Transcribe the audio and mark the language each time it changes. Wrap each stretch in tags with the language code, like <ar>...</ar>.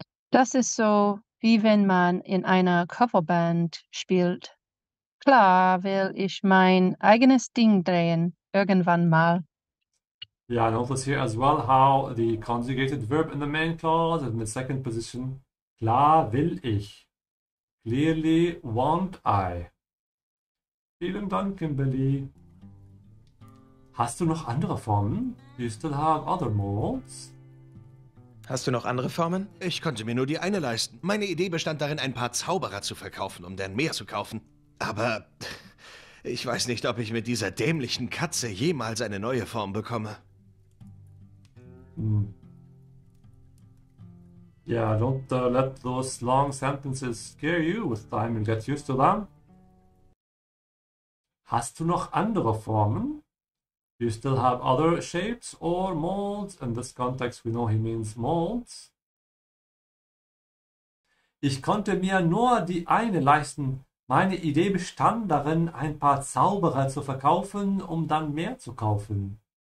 <de>Das ist so, wie wenn man in einer Coverband spielt. Klar will ich mein eigenes Ding drehen, irgendwann mal.</de> <en>Yeah, notice here as well how the conjugated verb in the main clause in the second position,</en> <de>klar will ich,</de> <en>clearly want I.</en> <de>Vielen Dank, Kimberly. Hast du noch andere Formen?</de> <en>You still have other molds?</en> <de>Hast du noch andere Formen? Ich konnte mir nur die eine leisten. Meine Idee bestand darin, ein paar Zauberer zu verkaufen, um dann mehr zu kaufen. Aber ich weiß nicht, ob ich mit dieser dämlichen Katze jemals eine neue Form bekomme.</de> <en>Yeah, don't let those long sentences scare you with time and get used to them.</en> <de>Hast du noch andere Formen?</de> <en>Do you still have other shapes or molds? In this context, we know he means molds.</en> <de>Ich konnte mir nur die eine leisten. Meine Idee bestand darin, ein paar Zauberer zu verkaufen, um dann mehr zu kaufen.</de>